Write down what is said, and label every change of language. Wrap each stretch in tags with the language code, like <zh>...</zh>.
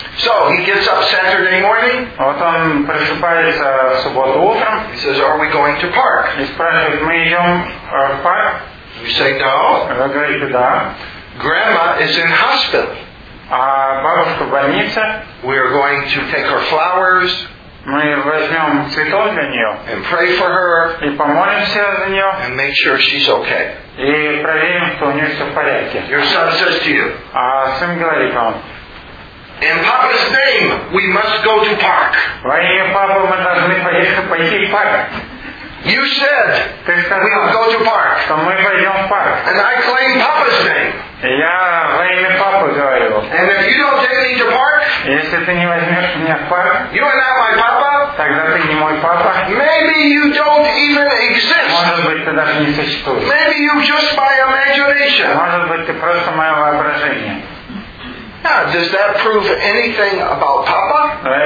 <en>So he gets up Saturday morning.</en> <ru>Вот он просыпается в субботу утром.</ru> <en>He says, "Are we going to park?"</en> <ru>И спрашивает, мы идем в парк?</ru> <en>We say no.</en> <ru>Вы говорите да.</ru> <en>Grandma is in hospital.</en> <ru>А бабушка в больнице.</ru> <en>We are going to take her flowers.</en> <ru>Мы возьмем цветов для нее</ru> <en>and pray for her,</en> <ru>и помолимся за нее</ru> <en>and make sure she's okay.</en> <ru>И проверим, что у нее все в порядке.</ru> <en>Your son says to you,</en> <ru>а сын говорит вам,</ru> <en>in Papa's name, we must go to park.</en> <ru>Во имя папы мы должны пойти в парк.</ru> <en>You said,</en> <ru>ты сказал,</ru> <en>we will go to park.</en> <ru>Что мы пойдем в парк.</ru> <en>And I claim Papa's name.</en> <ru>Я во имя папы говорю.</ru> <en>And if you don't take me to park,</en> <ru>если ты не возьмешь меня в парк,</ru> <en>you are not my papa,</en> <ru>тогда ты не мой папа.</ru> <en>Maybe you don't even exist.</en> <ru>Может быть, ты даже не существуешь.</ru> <en>Maybe you're just my imagination.</en> <ru>Может быть, ты просто мое воображение.</ru> <en>does that prove anything about Papa?</en>